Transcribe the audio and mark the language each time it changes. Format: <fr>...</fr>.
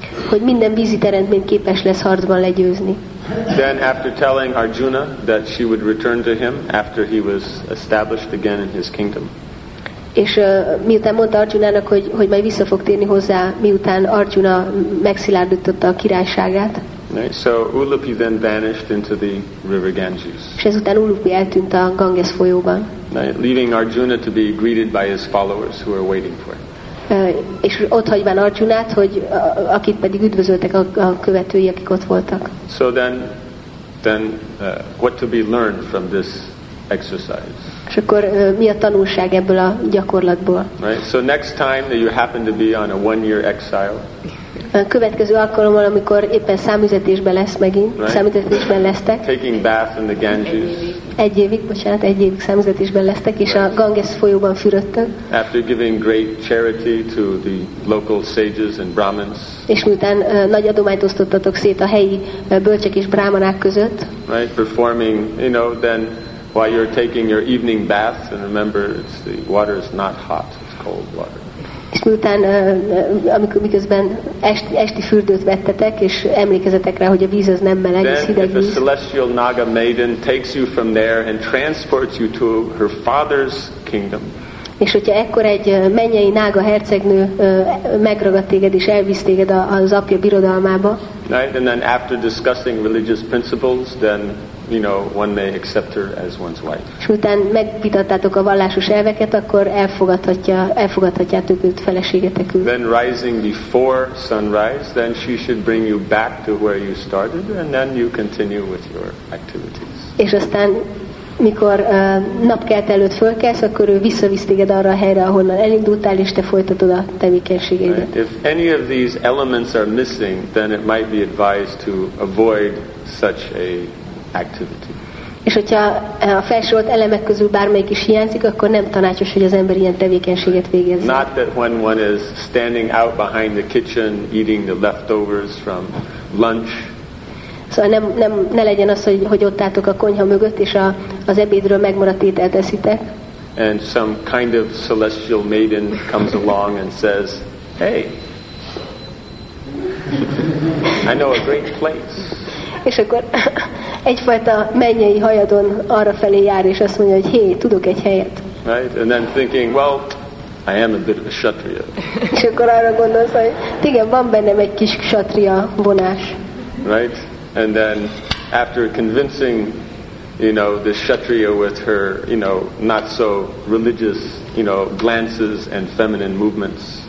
<hu>Hogy minden vízi teremtmény képes lesz harcban legyőzni.</hu> <en>Then after telling Arjuna that she would return to him after he was established again in his kingdom.</en> <hu>És miután mondta Arjunának, hogy majd vissza fog térni hozzá, miután Arjuna megszilárdította a királyságát.</hu> <en>Right, so Ulupi then vanished into the river Ganges.</en> <hu>És ezután Ulupi eltűnt a Ganges folyóban.</hu> <en>Right, leaving Arjuna to be greeted by his followers who are waiting for him.</en> <hu>És ott hagyván Arjunát, hogy akit pedig üdvözöltek a követői, akik ott voltak.</hu> <en>So then, what to be learned from this exercise?</en> <hu>És akkor mi a tanulság ebből a gyakorlatból?</hu> <en>Right. So next time that you happen to be on a one-year exile.</en> <hu>Következő alkalommal, amikor éppen számüzetésben lesz megint, right? Számüzetésben lesztek.</hu> <en>Taking bath in the Ganges.</en> <hu>Egy évig számüzetésben lesztek, és right. A Ganges folyóban fürödtek.</hu> <en>After giving great charity to the local sages and brahmins.</en> <hu>És miután nagy adományt osztottatok szét a helyi bölcsek és brámanák között.</hu> <en>Right, performing, you know, then while you're taking your evening bath, and remember, it's the water is not hot, it's cold water.</en> <hu>És miután, amikor miközben esti fürdőt vettetek, és emlékezetek rá, hogy a víz az nem meleg,</hu> <en>then,</en> <hu>és hideg víz.</hu> <en>Then if a celestial Naga maiden takes you from there and transports you to her father's kingdom.</en> <hu>És hogyha ekkor egy mennyei Naga hercegnő megragad téged és elvisz téged az apja birodalmába.</hu> <en>Right, and then after discussing religious principles, then you know, one may accept her as one's wife.</en> <hu>És miután megvitattátok a vallásos elveket, akkor elfogadhatjátok őt feleségetekül.</hu> <en>Then rising before sunrise, then she should bring you back to where you started, and then you continue with your activities.</en> <hu>És aztán mikor napkelt előtt fölkelsz, akkor ő visszavisz téged arra a helyre, ahonnan elindultál, és te folytatod a tevékenységedet.</hu> <en>Right. If any of these elements are missing, then it might be advised to avoid such a activity.</en> <hu>És hogyha a felsorolt elemek közül bármelyik is hiányzik, akkor nem tanácsos, hogy az ember ilyen tevékenységet végezzen.</hu> <en>Not that when one is standing out behind the kitchen eating the leftovers from lunch.</en> <hu>Szóval ne legyen az, hogy ott álltok a konyha mögött, és az ebédről megmaradt ételt eszitek.</hu> <en>And some kind of celestial maiden comes along and says, hey, I know a great place.</en> <hu>És akkor egyfajta mennyei hajadon arra felé jár, és azt mondja, hogy hé, tudok egy helyet.</hu> <en>Right? And then thinking, well, I am a bit of a kshatriya.</en> <hu>És akkor arra gondolsz, hogy igen, van bennem egy kis kshatriya vonás.</hu> <en>Right? And then after convincing, you know, the kshatriya with her, you know, not so religious, you know, glances and feminine movements.</en>